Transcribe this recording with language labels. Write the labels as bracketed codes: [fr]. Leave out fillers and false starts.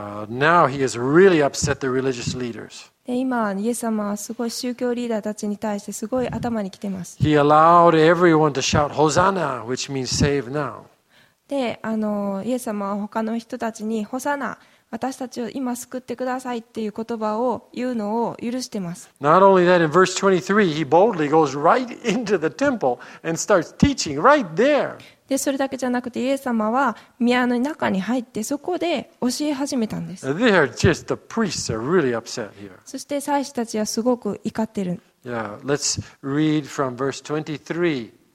[en] now he has really upset the religious leaders. [ja] で、今イエス様はすごい宗教リーダーたちに対してすごい頭にきてます。 [en] He allowed everyone to shout Hosanna, which means save now. [ja] で、イエス様は他の人たちにホサナ、私たちを今救ってくださいっていう言葉を言うのを許しています。 [en] Not only that, in verse 23, he boldly goes right into the temple and starts teaching right there. [ja] で、それだけじゃなくて、イエス様は宮の中に入ってそこで教え始めたんです。 [en] They are just the priests are really upset here. [ja] そして祭司たちはすごく怒ってる。 [en] Yeah, let's read from verse 23.